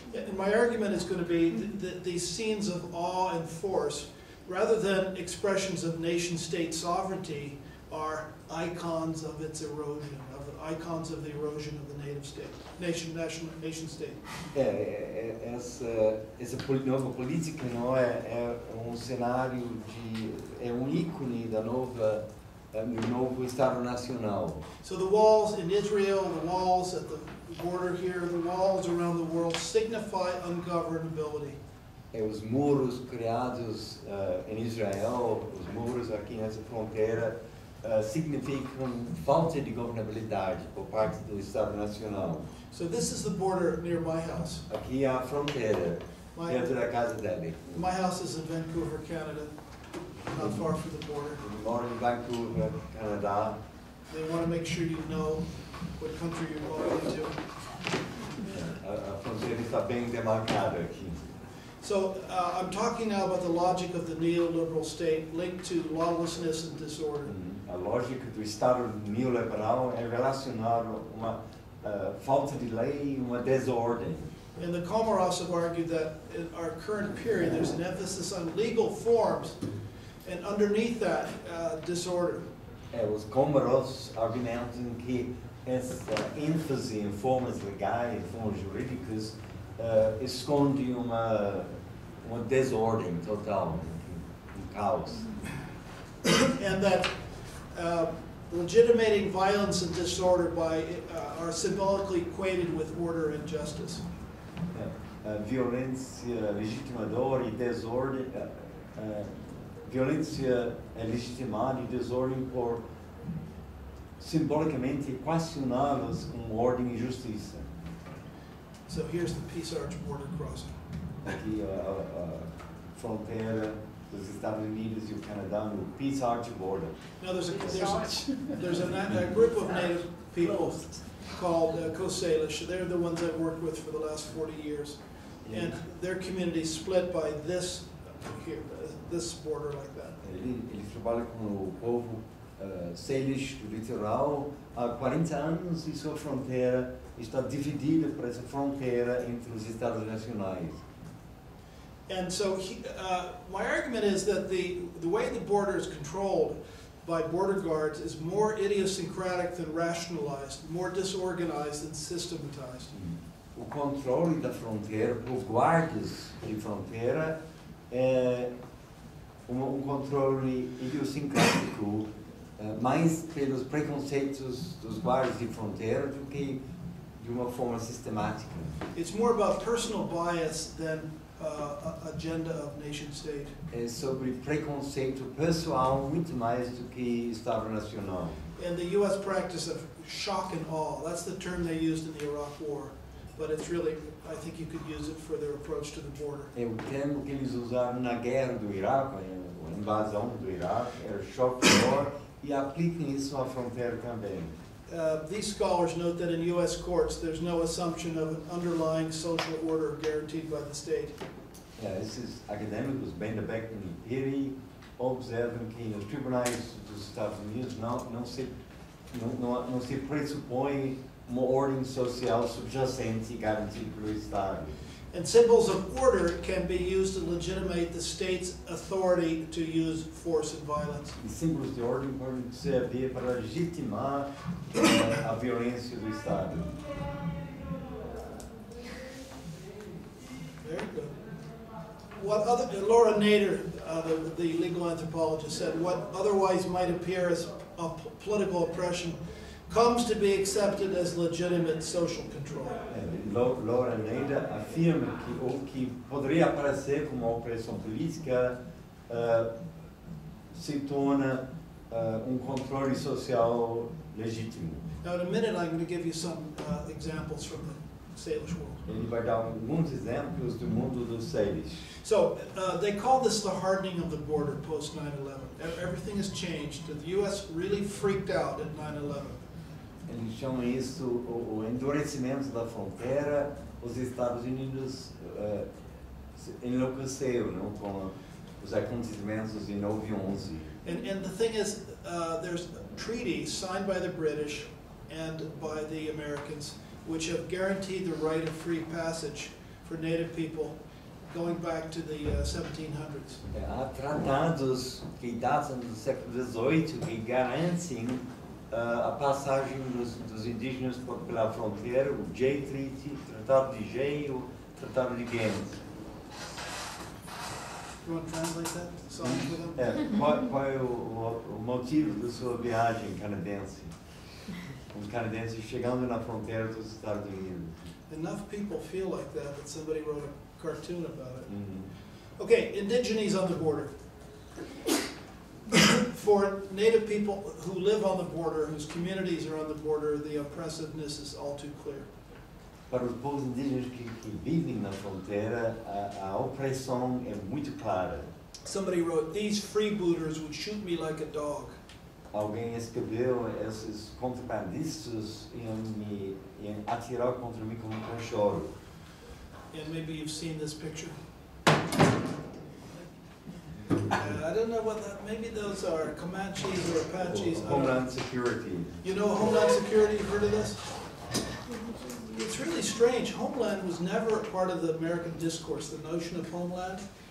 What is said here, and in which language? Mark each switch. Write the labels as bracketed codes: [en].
[en] And my argument is going to be that these scenes of awe and force, rather than expressions of nation-state sovereignty, are icons of its erosion, of the icons of the erosion of the native state, nation state. [pt] Essa nova política não é um cenário de é um ícone da nova do novo estado nacional. [en] So the walls in Israel, the walls at the border here, the walls around the world signify ungovernability. [pt] É os muros criados em Israel, os muros aqui nessa fronteira, significam falta de governabilidade por parte do Estado Nacional. [en] So this is the border near my house. [pt] Aqui é a fronteira, perto da casa dele. [en] My house is in Vancouver, Canada, not far from the border. [pt] Moro em Vancouver, Canadá. [en] They want to make sure you know what country you're going into. [pt] A fronteira está bem demarcada aqui. [en] So I'm talking now about the logic of the neoliberal state linked to lawlessness and disorder. [pt] A lógica do Estado neoliberal é relacionada a uma falta de lei e uma desordem. [en] And the Komaros have argued that in our current period there's an emphasis on legal forms and underneath that disorder. [pt] Os Komaros argumentam que essa ênfase em formas legais, em formas jurídicas, esconde uma desordem total, um caos. [en] And that legitimating violence and disorder are symbolically equated with order and justice. [pt] Violência legitimada e desordem por simbolicamente equacionadas com ordem e justiça. [en] So here's the Peace Arch border crossing. [pt] Aqui a fronteira dos Estados Unidos e o Canadá no Peace Arch border. [en] Now there's a group of native people called Coast Salish. They're the ones I've worked with for the last 40 years, yeah. And their community split by this here, this border like that. [pt] Ele trabalha com o povo Salish do litoral há 40 anos e sua fronteira está dividida por essa fronteira entre os Estados Nacionais. [en] And so my argument is that the way the border is controlled by border guards is more idiosyncratic than rationalized, more disorganized than systematized. [pt] O controle da fronteira por guardas de fronteira é um controle idiosincrático mais pelos preconceitos dos guardas de fronteira do que de uma forma sistemática. [en] It's more about personal bias than agenda of nation state. [pt] É sobre preconceito pessoal muito mais do que Estado Nacional. [en] And the U.S. practice of shock and awe, that's the term they used in the Iraq War. But it's really, I think you could use it for their approach to the border. [pt] É o termo que eles usaram na guerra do Iraque, a invasão do Iraque, era [en] shock and awe, [pt] e aplicam isso à fronteira também. [en] These scholars note that in U.S. courts, there's no assumption of an underlying social order guaranteed by the state. Yeah, this is academics, Ben de Beck and Piri, observing [pt] que nos tribunais dos Estados Unidos não se pressupõe uma ordem social subjacente garantida pelo Estado. [en] And symbols of order can be used to legitimate the state's authority to use force and violence. [pt] E símbolos de ordem podem servir para legitimar a violência do Estado. [en] Very good. What other, Laura Nader, the legal anthropologist, said, what otherwise might appear as a political oppression comes to be accepted as legitimate social control. [pt] Laura Nader afirma que o que poderia aparecer como opressão política se torna controle social legítimo. [en] Now in a minute I'm going to give you some examples from the Salish world. [pt] Ele vai dar alguns exemplos do mundo do Salish. [en] So they call this the hardening of the border post 9/11. Everything has changed. The U.S. really freaked out at 9/11. [pt] Eles chamam isso o endurecimento da fronteira. Os Estados Unidos enlouqueceram, não, com os acontecimentos de 9/11. [en] And the thing is, there's treaties signed by the British and by the Americans, which have guaranteed the right of free passage for native people going back to the 1700s. [pt] Há tratados que datam do século XVIII que garantem a passagem dos indígenas pela fronteira, o Jay Treaty, o Tratado de Jay, o Tratado de Baines. [en] You want to translate that song for them? [pt] Qual é o motivo da sua viagem canadense? Os canadenses chegando na fronteira dos Estados Unidos. [en] Enough people feel like that that somebody wrote a cartoon about it. Mm-hmm. Okay, indigenes on the border. For native people who live on the border, whose communities are on the border, the oppressiveness is all too clear. [pt] Para os povos indígenas que vivem na fronteira, a opressão é muito clara. [en] Somebody wrote, "These freebooters would shoot me like a dog." [pt] Alguém escreveu, esses contrabandistas iam atirar contra mim como um cachorro. [en] And maybe you've seen this picture. I don't know what that, maybe those are Comanches or Apaches. Homeland Security. You know Homeland Security, you've heard of this? It's really strange. Homeland was never a part of the American discourse, the notion of homeland.